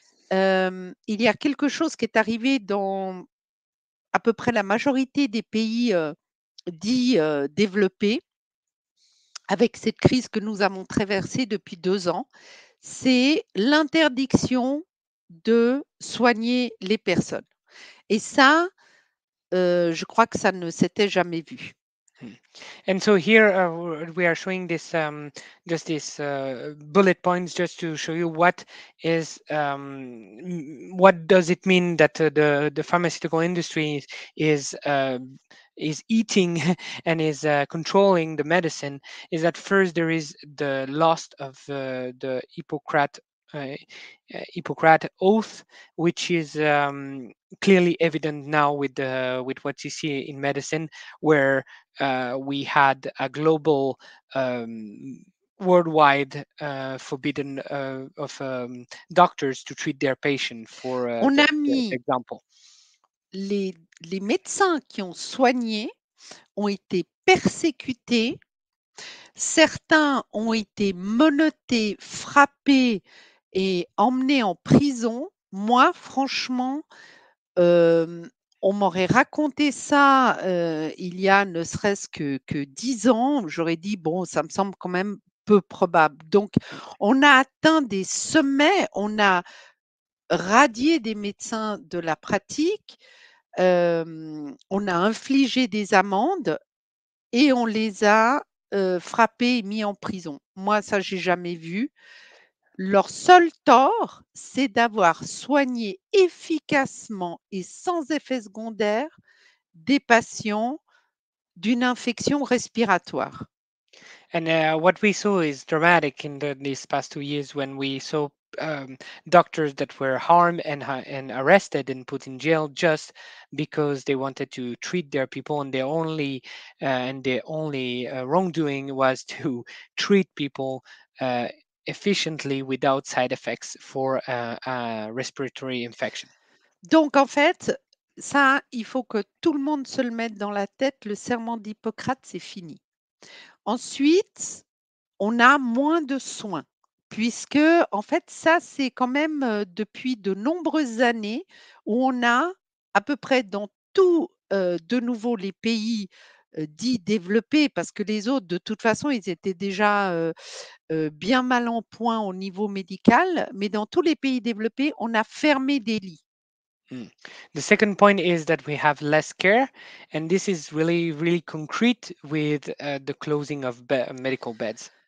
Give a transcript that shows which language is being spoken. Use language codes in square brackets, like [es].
[fr] Il y a quelque chose qui est arrivé dans à peu près la majorité des pays dits développés avec cette crise que nous avons traversée depuis 2 ans. C'est l'interdiction de soigner les personnes. Et ça, je crois que ça ne s'était jamais vu. [en] And so here we are showing this just this bullet points just to show you what is what does it mean that the pharmaceutical industry is eating and is controlling the medicine is that first there is the loss of the Hippocratic oath, which is clearly evident now with what you see in medicine, where we had a global worldwide forbidden of doctors to treat their patient for [fr] On a [en] that [fr] mis [en] example. [fr] les médecins qui ont soigné ont été persécutés, certains ont été menottés, frappés et emmenés en prison. Moi, franchement, on m'aurait raconté ça il y a ne serait-ce que 10 ans, j'aurais dit, bon, ça me semble quand même peu probable. Donc, on a atteint des sommets, on a radier des médecins de la pratique, on a infligé des amendes et on les a frappés et mis en prison. Moi, ça, j'ai jamais vu. Leur seul tort, c'est d'avoir soigné efficacement et sans effet secondaire des patients d'une infection respiratoire. [en] And what we saw is dramatic in these past 2 years when we saw doctors that were harmed and arrested and put in jail just because they wanted to treat their people, and their only wrongdoing was to treat people efficiently without side effects for a respiratory infection. [fr] Donc en fait, ça, il faut que tout le monde se le mette dans la tête. Le serment d'Hippocrate, c'est fini. Ensuite, on a moins de soins, puisque en fait, ça, c'est quand même depuis de nombreuses années où on a à peu près dans tout de nouveau les pays dits développés, parce que les autres, de toute façon, ils étaient déjà bien mal en point au niveau médical, mais dans tous les pays développés, on a fermé des lits. [en] The second point is that we have less care, and this is really, really concrete with the closing of medical beds.